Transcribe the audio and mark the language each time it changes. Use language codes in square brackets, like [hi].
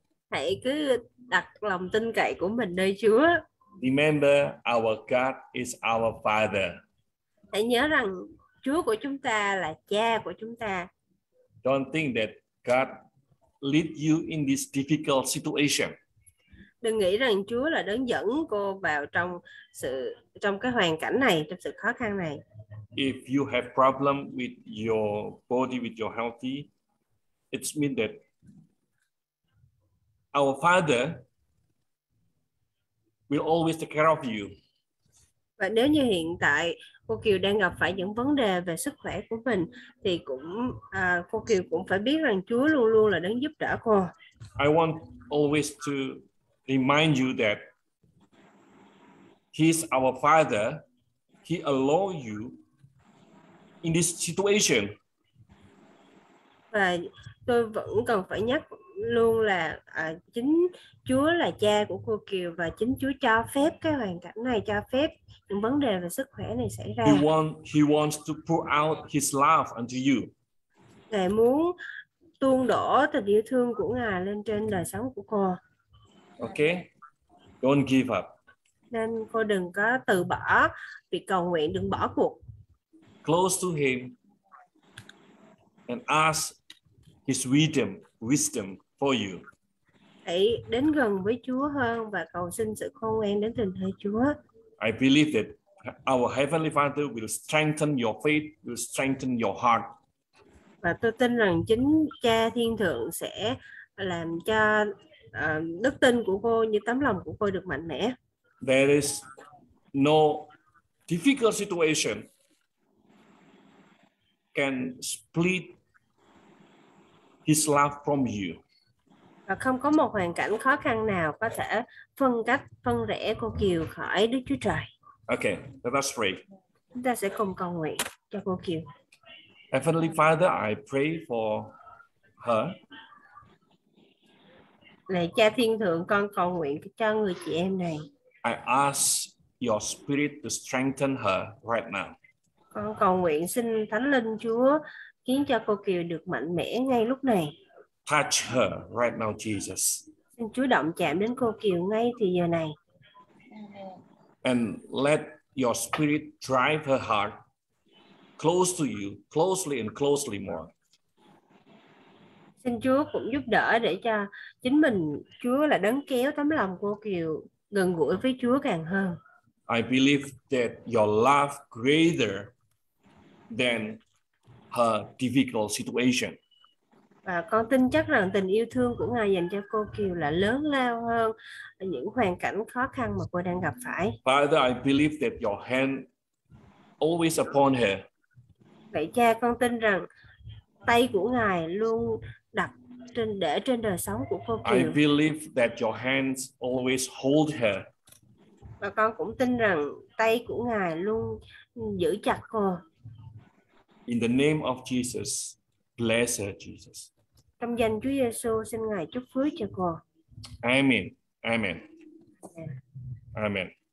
[vi] Hãy cứ đặt lòng tin cậy của mình nơi Chúa. [en] Remember, our God is our Father. [vi] Hãy nhớ rằng Chúa của chúng ta là Cha của chúng ta. [en] Don't think that God lead you in this difficult situation. [vi] Đừng nghĩ rằng Chúa là đấng dẫn cô vào trong cái hoàn cảnh này, trong sự khó khăn này. [en] If you have problem with your body, with your healthy, it means that our Father will always take care of you. [vi] Và nếu như hiện tại cô Kiều đang gặp phải những vấn đề về sức khỏe của mình thì cũng cô Kiều cũng phải biết rằng Chúa luôn luôn là đấng giúp đỡ cô. [en] I want always to remind you that He's our Father. He allow you in this situation. [vi] Và tôi vẫn cần phải nhắc luôn là chính Chúa là Cha của cô Kiều và chính Chúa cho phép cái hoàn cảnh này, cho phép những vấn đề về sức khỏe này xảy ra. [en] He wants to pour out his love unto you. [vi] Ngài muốn tuôn đổ tình yêu thương của Ngài lên trên đời sống của cô. [en] Okay. Don't give up. [vi] Nên cô đừng có từ bỏ việc cầu nguyện, đừng bỏ cuộc. [en] Close to him and ask his wisdom for you. [vi] Hãy đến gần với Chúa hơn và cầu xin sự khôn ngoan đến từ nơi Chúa. [en] I believe that our Heavenly Father will strengthen your faith, will strengthen your heart. [vi] Và tôi tin rằng chính Cha Thiên Thượng sẽ làm cho đức tin của cô như tấm lòng của cô được mạnh mẽ. [en] There is no difficult situation can split his love from you. [vi] Và không có một hoàn cảnh khó khăn nào có thể phân cách, phân rẽ cô Kiều khỏi Đức Chúa Trời. [en] Okay, let us pray. [vi] Chúng ta sẽ cùng cầu nguyện cho cô Kiều. [en] Heavenly Father, I pray for her. [vi] Lạy Cha Thiên Thượng, con cầu nguyện cho người chị em này. [en] I ask your spirit to strengthen her right now. [vi] Con cầu nguyện xin Thánh Linh Chúa khiến cho cô Kiều được mạnh mẽ ngay lúc này. [en] Touch her right now, Jesus. [vi] Xin Chúa động chạm đến cô Kiều ngay thì giờ này. [en] And let your spirit drive her heart close to you, closely and closely more. [vi] Xin Chúa cũng giúp đỡ để cho chính mình, Chúa là đấng kéo tấm lòng cô Kiều gần gũi với Chúa càng hơn. [en] I believe that your love greater than her difficult situation. [vi] Và con tin chắc rằng tình yêu thương của Ngài dành cho cô Kiều là lớn lao hơn những hoàn cảnh khó khăn mà cô đang gặp phải. [en] Father, I believe that your hand always upon her. [vi] Vậy Cha, con tin rằng tay của Ngài luôn đặt trên, để trên đời sống của cô Kiều. [en] I believe that your hands always hold her. [vi] Và con cũng tin rằng tay của Ngài luôn giữ chặt cô. [en] In the name of Jesus, bless her, Jesus. [vi] Trong danh Chúa Giêsu, xin Ngài chúc phước cho cô. [en] Amen. Amen. Amen.